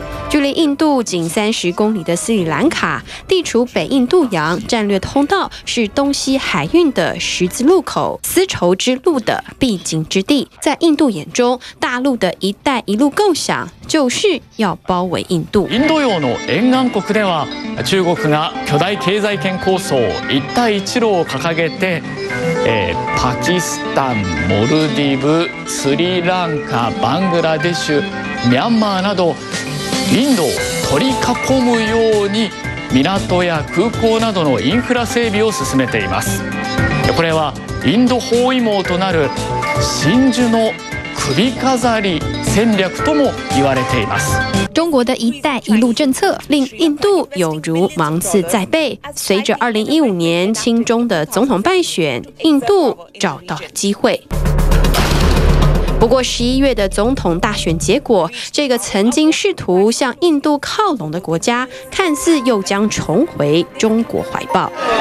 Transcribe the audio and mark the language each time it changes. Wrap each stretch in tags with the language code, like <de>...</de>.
<zh>距离印度仅30公里的斯里兰卡，地处北印度洋，战略通道是东西海运的十字路口，丝绸之路的必经之地。在印度眼中，大陆的一带一路构想就是要包围印度。</zh> <ja>インド洋の沿岸国では、中国が巨大経済圏構想一帯一路を掲げて、パキスタン、モルディブ、スリランカ、バングラデシュ、ミャンマーなど。インドを取り囲むように港や空港などのインフラ整備を進めています。これはインド包囲網となる真珠の首飾り戦略とも言われています。</ja> <zh>中国的一带一路政策令印度有如芒刺在背。随着2015年亲中的总统败选，印度找到了机会。不过11月的总统大选结果，这个曾经试图向印度靠拢的国家看似又将重回中国怀抱。</zh>